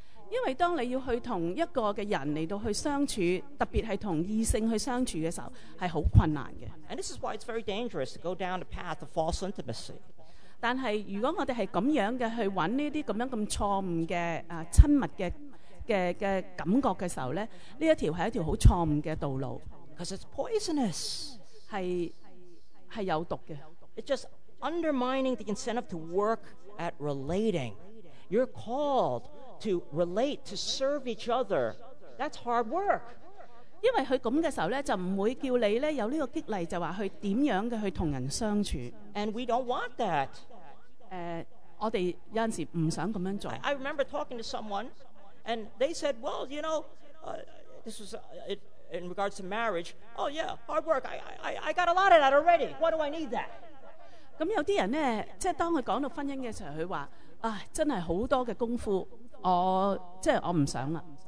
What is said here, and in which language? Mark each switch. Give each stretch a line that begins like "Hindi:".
Cantonese: 因為當你要去同一個嘅人嚟到去相處，特別係同異性去相處嘅時候，係好困難嘅。
English: And this is why it's very dangerous to go down the path of false intimacy.
Cantonese: 但係如果我哋係咁樣嘅去揾呢啲咁樣咁錯誤嘅親密嘅感覺嘅時候咧，呢一條係一條好錯誤嘅道路。
English: Because it's poisonous，
Cantonese: 係有毒嘅。
English: It's just undermining the incentive to work at relating. You're called to relate, to serve each other. That's hard work.
Cantonese: 因為佢咁嘅時候咧，就唔會叫你咧有呢個激勵，就話去點樣嘅去同人相處。
English: And we don't want that。
Cantonese: 我哋有陣時唔想咁樣做。
English: I remember talking to someone, and they said, "Well, you know, this was in regards to marriage. Oh yeah, hard work. I got a lot of that already. Why do I need that?"
Cantonese: 咁有啲人咧，即係當佢講到婚姻嘅時候，佢話：，唉，真係好多嘅功夫，我唔想啦。